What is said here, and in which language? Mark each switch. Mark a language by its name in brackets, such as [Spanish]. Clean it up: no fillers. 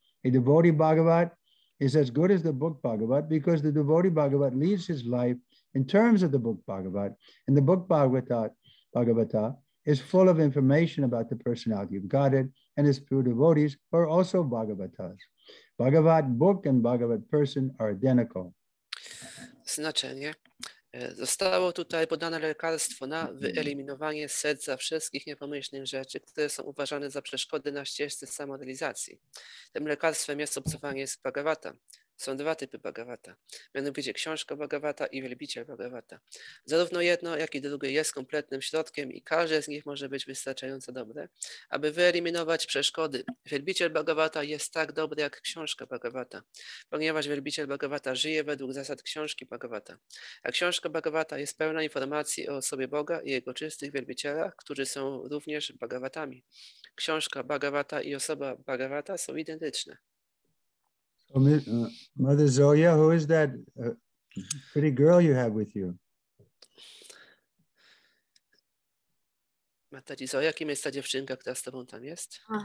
[English] A devotee Bhagavat is as good as the book Bhagavat because the devotee Bhagavat leads his life in terms of the book Bhagavat, and the book Bhagavata is full of information about the personality of Godhead, and his pure devotees are also Bhagavatas. Bhagavat book and Bhagavat person are identical. [Polish] Znaczenie. Zostało tutaj podane lekarstwo na wyeliminowanie z serca wszystkich niepomyślnych rzeczy, które są uważane za przeszkody na ścieżce samorealizacji. Tym lekarstwem jest obcowanie z Bhagavata. Są dwa typy Bhagavata, mianowicie książka Bhagavata i wielbiciel Bhagavata. Zarówno jedno, jak i drugie jest kompletnym środkiem i każde z nich może być wystarczająco dobre, aby wyeliminować przeszkody. Wielbiciel Bhagavata jest tak dobry jak książka Bhagavata, ponieważ wielbiciel Bhagavata żyje według zasad książki Bhagavata. A książka Bhagavata jest pełna informacji o osobie Boga i jego czystych wielbicielach, którzy są również Bhagavatami. Książka Bhagavata i osoba Bhagavata są identyczne. [English] Mother Zoya, who is that pretty girl you have with you? [Polish] Mataji Zoya, kim jest ta dziewczynka, która z tobą tam jest?